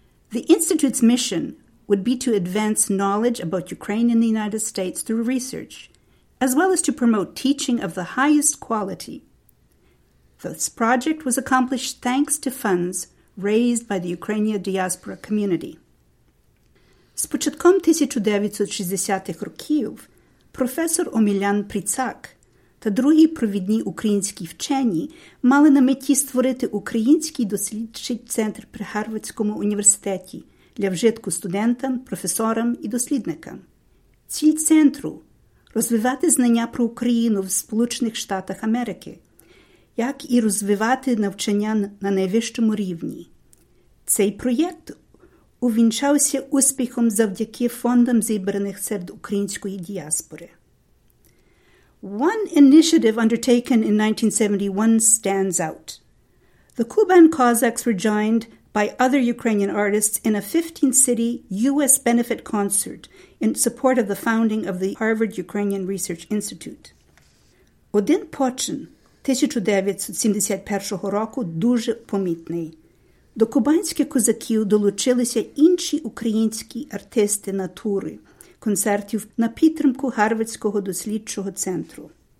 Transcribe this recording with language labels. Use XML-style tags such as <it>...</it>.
<en>The institute's mission would be to advance knowledge about Ukraine in the United States through research, as well as to promote teaching of the highest quality. This project was accomplished thanks to funds raised by the Ukrainian diaspora community.</en> <uk>З початком 1960-х років професор Омілян Пріцак та другі провідні українські вчені мали на меті створити український дослідчий центр при Гарвардському університеті для вжитку студентам, професорам і дослідникам. Ціль центру – розвивати знання про Україну в Сполучених Штатах Америки, як і розвивати навчання на найвищому рівні. Цей проєкт увінчався успіхом завдяки фондам, зібраних серед української діаспори.</uk> <en>One initiative undertaken in 1971 stands out. The Kuban Cossacks were joined by other Ukrainian artists in a 15-city U.S. benefit concert in support of the founding of the Harvard Ukrainian Research Institute.</en> <uk>Один почин 1971 року дуже помітний. До кубанських козаків долучилися інші українські артисти натури концертів на підтримку Гарвардського дослідчого центру.</uk>